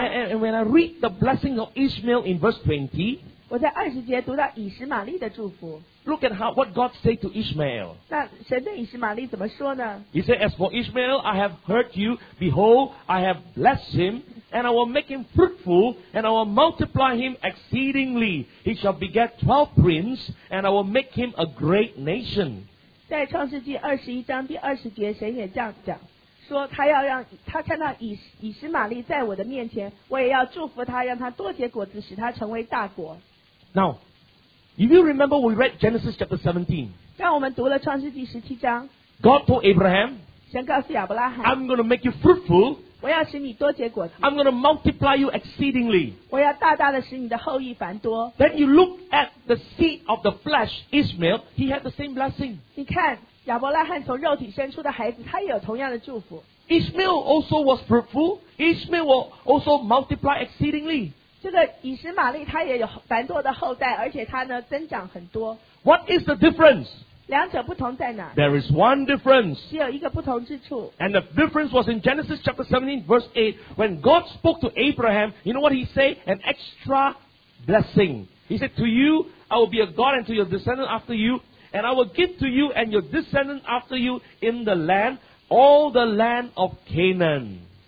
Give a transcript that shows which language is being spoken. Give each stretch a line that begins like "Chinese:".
English: and when I read the blessing of Ishmael in verse 20,
Chinese: 我在20节读到以实玛利的祝福,
English: look at how, what God said to Ishmael.
Chinese: 那神对以实玛利怎么说呢?
English: He said, as for Ishmael, I have heard you. Behold, I have blessed him, and I will make him fruitful, and I will multiply him exceedingly. He shall beget 12 princes, and I will make him a great nation.
Chinese: 在创世纪21章第20节神也这样讲, 说他要让他看到以实玛利在我的面前，我也要祝福他，让他多结果子，使他成为大国。
English: Now, if you remember, we read Genesis chapter 17.
Chinese: 当我们读了创世纪17章,
English: God told Abraham,
Chinese: 神告诉亚伯拉罕,
English: I'm going to make you fruitful.
Chinese: 我要使你多结果子,
English: I'm going to multiply you exceedingly.
Chinese: 我要大大的使你的后裔繁多。
English: Then you look at the seed of the flesh, Ishmael, he had the same blessing.
Chinese: 你看, 亚伯拉罕从肉体生出的孩子, 他也有同样的祝福。
English: Ishmael also was fruitful. Ishmael will also multiply exceedingly.
Chinese: 这个以实玛利他也有繁多的后代, 而且他呢, 增长很多。
English: What is the difference?
Chinese: 两者不同在哪?
English: There is one difference.
Chinese: 只有一个不同之处。
English: And the difference was in Genesis chapter 17, verse 8. When God spoke to Abraham, you know what he said? An extra blessing. He said, to you, I will be a God, and to your descendant after you, and I will give to you and your descendant after you in the land, all the land of Canaan.